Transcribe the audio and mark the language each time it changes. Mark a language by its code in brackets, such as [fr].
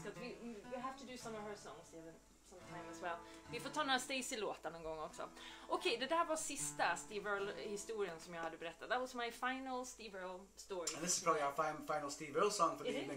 [en] We have to do some of her songs sometime as well. [sv] Vi får ta några Stacy-låtar någon gång också. Okej, det där var sista Steve Earle-historien som jag hade berättat. [en] That was my final Steve Earle-story. And this is probably our final Steve Earle song for the evening.